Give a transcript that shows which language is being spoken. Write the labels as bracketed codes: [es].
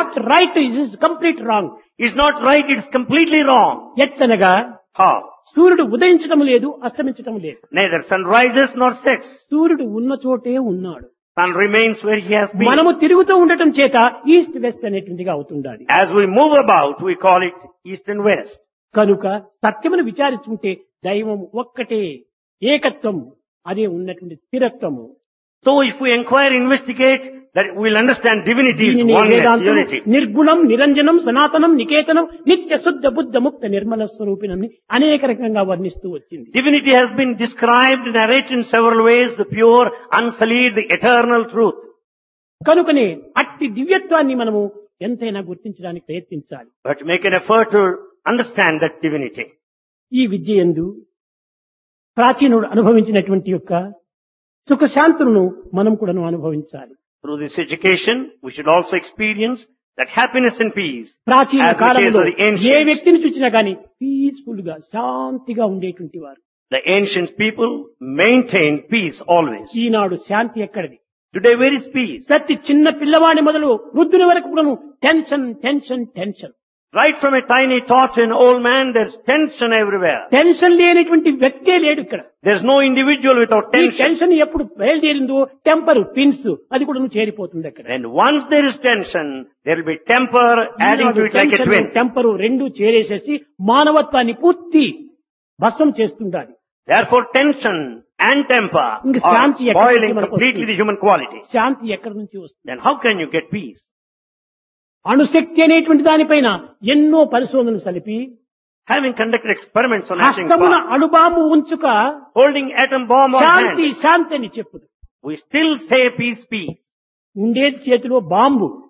[en] Not right, it is complete wrong. It's not right, it's completely wrong. [te] ఎత్తనగా హా సూర్యుడు ఉదయించడం లేదు, అస్తమించడం లేదు. [en] Neither sun rises nor sets. [te] సూర్యుడు ఉన్న చోటే ఉన్నాడు. [en] Sun remains where he has been. [te] మనము తిరుగుతూ ఉండటం చేత east west అనేటువంటిగా అవుతుండాలి. [en] As we move about, we call it east and west. [te] కనుక సత్యమును విచారించుకుంటే దైవం ఒక్కటే, ఏకత్వం అదే ఉన్నటువంటి స్థిరత్వము. [en] So if we inquire, investigate, that we will understand divinity is oneness, unity. [te] నిర్గుణం, నిరంజనం, సనాతనం, నికేతనం, నిత్య శుద్ధ బుద్ధ ముక్త నిర్మల స్వరూపిణం అనేక రకంగా వర్ణిస్తూ వచ్చింది. [en] Divinity has been described, narrated in several ways, the pure, unsullied, the eternal truth. [te] కనుకనే అట్టి దివ్యత్వాన్ని మనము ఎంతైనా గుర్తించడానికి ప్రయత్నించాలి. [en] But make an effort to understand that divinity. [te] ఈ విద్య యందు ప్రాచీనుడు అనుభవించినటువంటి యొక్క సుఖశాంతులను మనం కూడా అనుభవించాలి. [en] Through this education, we should also experience that happiness and peace. [te] ప్రాచీన కాలంలో ఏ వ్యక్తిని చూసినా గానీ పీస్ఫుల్ గా శాంతిగా ఉండేటువంటి వారు. [en] The ancient people maintained peace always. [te] ఈనాడు శాంతి ఎక్కడది? [en] Today, where is peace? [te] ప్రతి చిన్న పిల్లవాడి మొదలు వృద్ధుని వరకు కూడా tension tension tension. [en] Right from a tiny tot to an old man, there's tension everywhere. [te] Tension లేనటువంటి వ్యక్తే లేడు ఇక్కడ. [en] There's no individual without tension. [te] Tension ఎప్పుడు బయలుదేరిందో టెంపర్ పిన్స్ అది కూడా చేరిపోతుంది అక్కడ. [en] And once there is tension, there will be temper adding to it like a twin. [te] Temper రెండు చేరేసేసి మానవత్వాన్ని పూర్తి భస్మం చేస్తుంటారు. [en] Therefore, tension and temper are boiling completely the human quality. [te] శాంతి ఎక్కడ నుంచి వస్తుంది? [en] Then how can you get peace? [te] అణుశక్తి అనేటువంటి దానిపైన ఎన్నో పరిశోధనలు సలిపి [en] having conducted experiments on హాస్టమున [te] అణుబాంబు ఉంచుక [en] holding atom bomb on [te] శాంతి శాంతి అని చెప్పుదు. [en] we still say peace పీ [te] ఉండేది చేతిలో బాంబు.